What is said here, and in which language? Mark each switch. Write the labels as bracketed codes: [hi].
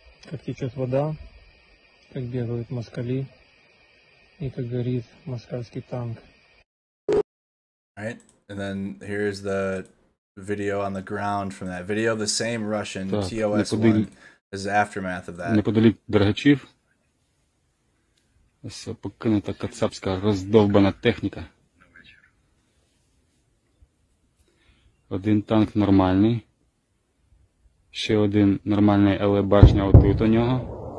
[ru] Как течет вода, как бегают москали и как горит москальский танк. [en] Right, and then here's the video on the ground from that video. The same Russian TOS-1 is the aftermath of that. [uk] Неподалік Драгачів. Все покинута кацапська роздовбана техніка. Один танк нормальний. Ще один нормальний, але башня отут у нього.